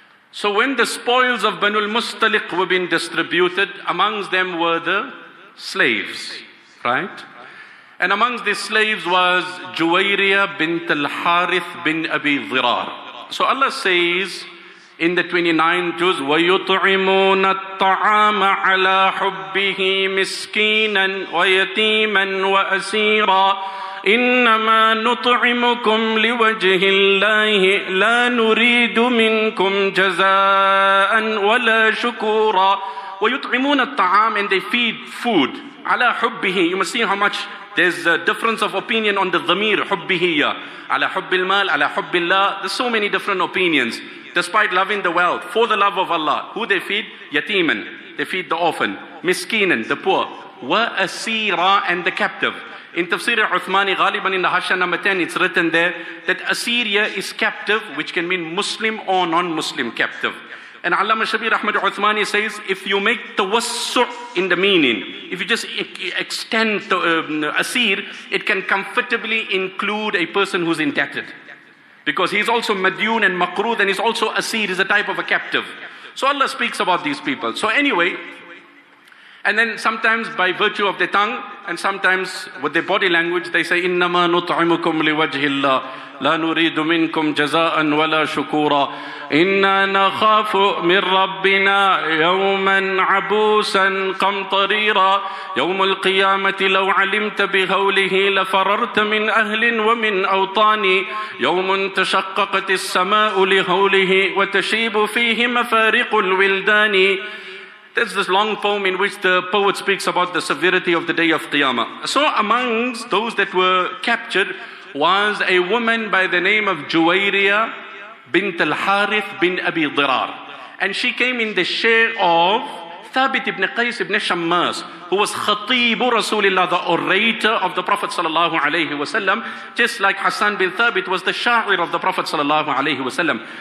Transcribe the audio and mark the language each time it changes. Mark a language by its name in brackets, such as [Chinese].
[English] So when the spoils of Banu al-Mustaliq were being distributed, amongst them were the slaves, right? And amongst the slaves was Juwayriya bint al-Harith bin Abi Dhirar. So Allah says in the 29th juz, [Arabic] وَيُطْعِمُونَ الطَّعَامَ عَلَىٰ حُبِّهِ مِسْكِينًا وَيَتِيمًا وَأَسِيرًا إِنَّمَا نُطْعِمُكُمْ لِوَجْهِ اللَّهِ لَا نُرِيدُ مِنْكُمْ جَزَاءً وَلَا شُكُورًا وَيُطْعِمُونَ الطَّعَامَ. [English] And they feed food. [Arabic] عَلَىٰ حُبِّهِ. [English] You must see how much there's a difference of opinion on the dhamir, حُبِّهِيَ. [Arabic] عَلَىٰ حُبِّ الْمَالِ عَلَىٰ حُبِّ اللَّهِ. [English] There's so many different opinions. Despite loving the wealth, for the love of Allah, who they feed? Yatiman. They feed the orphan. Miskinan, the poor. وَأَسِيرًا, and the captive. In Tafsir al-Uthmani, Ghaliban in the Hashya number 10, it's written there that Assyria is captive, which can mean Muslim or non-Muslim captive. And Allama Shabir Ahmad al-Uthmani says, if you make tawassu' in the meaning, if you just extend the Asir, it can comfortably include a person who's indebted. Because he's also Madyun and Maqrood, and he's also Asir, he's a type of a captive. So Allah speaks about these people. So anyway, and then sometimes by virtue of their tongue, and sometimes with their body language, they say, [Arabic] إِنَّمَا نُطْعِمُكُمْ لِوَجْهِ اللَّهِ لَا نُرِيدُ مِنْكُمْ جَزَاءً وَلَا شُكُورًا إِنَّا نَخَافُ مِنْ رَبِّنَا يَوْمًا عَبُوسًا قَمْطَرِيرًا يَوْمُ الْقِيَامَةِ لَوْ عَلِمْتَ بِهَوْلِهِ لَفَرَرْتَ مِنْ أَهْلٍ وَمِنْ أَوْطَانِ يَوْمٌ تَشَقَّقَتِ السَّمَاءُ لِهَوْلِهِ وَتَشِيبُ فِيهِ مَفَارِقُ الْوِلْدَانِ. [English] There's this long poem in which the poet speaks about the severity of the day of Qiyamah. So amongst those that were captured was a woman by the name of Juwayriya bint al-Harith bin Abi Dhirar. And she came in the share of Thabit ibn Qais ibn Shammas, who was Khatibu Rasulillah, the orator of the Prophet sallallahu alayhi wa sallam, just like Hassan bin Thabit was the sha'ir of the Prophet sallallahu alayhi wa sallam.